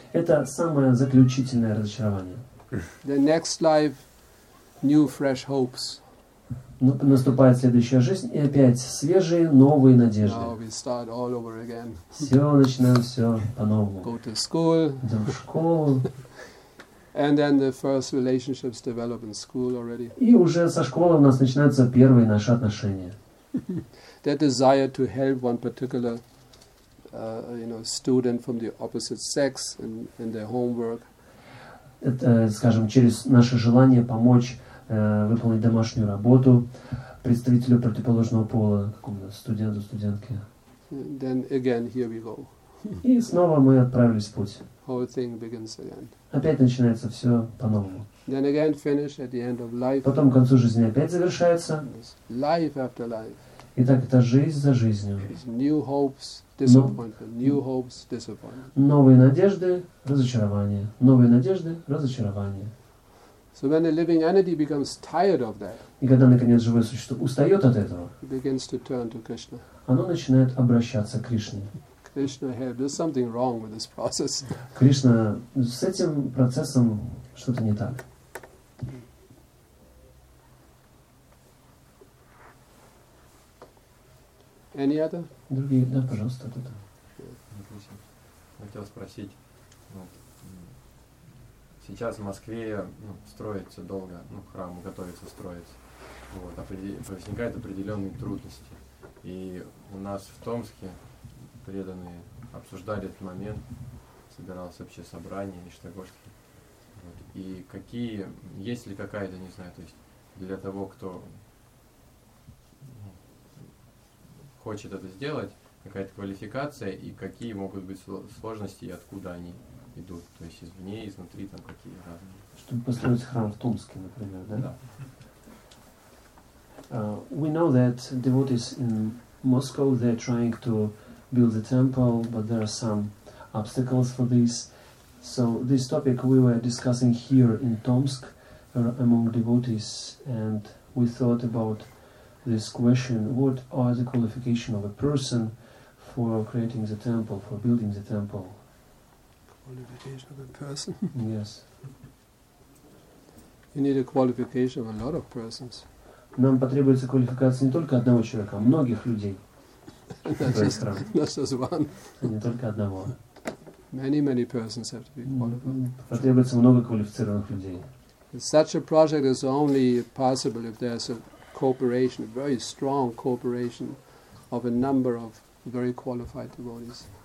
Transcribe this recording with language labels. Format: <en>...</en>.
<ru>Это самое заключительное разочарование.</ru> <en>The next life, new fresh hopes.</en> <ru>Ну, наступает следующая жизнь и опять свежие новые надежды.</ru> <en>Now we start all over again.</en> <ru>Все начинаем все по-новому.</ru> <en>Go to school.</en> <ru>Идем в школу.</ru> <en>And then the first relationships develop in school already.</en> <ru>И уже со школы у нас начинаются первые наши отношения.</ru> <en>That desire to help one particular, student from the opposite sex in their homework.</en> <ru>Это, скажем, через наше желание помочь выполнить домашнюю работу представителю противоположного пола, какому-то студенту, студентке.</ru> <en>And then again, here we go.</en> <ru>И снова мы отправились в путь.</ru> <en>Whole thing begins again.</en> <ru>Опять начинается все по-новому.</ru> <en>Then again finish at the end of life.</en> <ru>Потом к концу жизни опять завершается.</ru> <en>Life after life.</en> <ru>Итак, это жизнь за жизнью.</ru> <en>New hopes, disappointment. New hopes, disappointment.</en> <ru>Новые надежды, разочарование. Новые надежды, разочарование.</ru> <en>So when the living entity becomes tired of that,</en> <ru>и когда наконец живое существо устает от этого,</ru> <en>it begins to turn to Krishna.</en> <ru>Оно начинает обращаться к Кришне.</ru> <en>Krishna, there's something wrong with this process.</en> <ru>Кришна, с этим процессом что-то не так.</ru> <en>Any other?</en> <ru>Другие, да, пожалуйста, кто-то. Хотел спросить. Сейчас в Москве строится долго, храм готовится строиться. Вот, возникают определенные трудности. И у нас в Томске преданные обсуждали этот момент, собиралось общее собрание в Нижнегорске. Вот, и какие, есть ли какая-то, не знаю, то есть для того, кто хочет это сделать, какая-то квалификация, и какие могут быть сложности, и откуда они идут, то есть извне, изнутри, там какие разные. Чтобы построить храм в Томске, например, да? Да.</ru> <en>We know that devotees in Moscow, they're trying to build a temple, but there are some obstacles for this. So this topic we were discussing here in Tomsk among devotees, and we thought about this question, what are the qualifications of a person for creating the temple, for building the temple? Qualification of a person. Yes. You need a qualification of a lot of persons.</en> <ru>Нам потребуется квалификация не только одного человека, а многих людей. Не только одного.</ru> <en>Many, many persons have to be qualified.</en> <ru>Потребуется много квалифицированных людей.</ru> <en>Such a project is only possible if there's a cooperation, a very strong cooperation of a number of very qualified devotees.</en>